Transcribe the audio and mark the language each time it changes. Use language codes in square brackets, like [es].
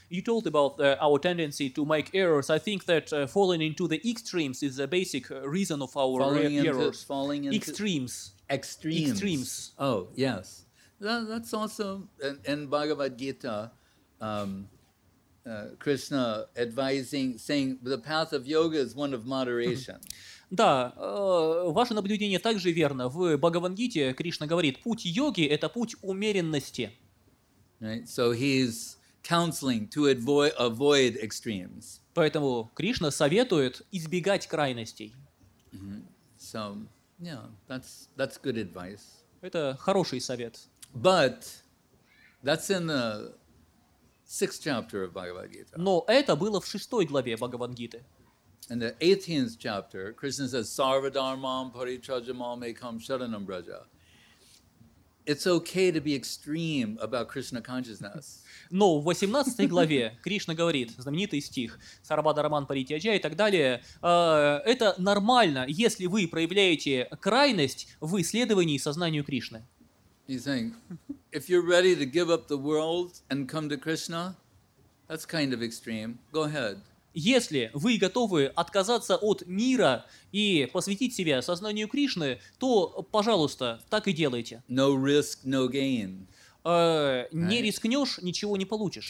[en] You told about our tendency to make errors. I think that falling into the extremes is the basic reason of our errors. Falling into extremes. Extremes. Extremes. Oh, yes. That's also in Bhagavad Gita, Krishna advising, saying the path of yoga is one of moderation. [ru] Да, ваше наблюдение также верно. В Бхагавангите Кришна говорит, путь йоги – это путь умеренности. [en] Right. So he's counseling to avoid extremes. [ru] Поэтому Кришна советует избегать крайностей. [en] Mm-hmm. So, yeah, that's good advice. [ru] Это хороший совет. [en] But that's in the sixth chapter of Bhagavad Gita. [ru] Но это было в шестой главе Бхагавангиты. [en] In the 18th chapter, Krishna says, [sa] "Sarva dharmam paritrajamam ekam sharanam braja." [en] It's okay to be extreme about Krishna consciousness. [ru] Но в 18 главе Кришна говорит, знаменитый стих, [sa] "Сарва дарман паритяжа" [ru] и так далее, это нормально, если вы проявляете крайность в исследовании сознанию Кришны. [en] He's saying, if you're ready to give up the world and come to Krishna, that's kind of extreme. Go ahead. [ru] Если вы готовы отказаться от мира и посвятить себя сознанию Кришны, то, пожалуйста, так и делайте. [en] No risk, no gain. [ru] Не рискнешь, ничего не получишь.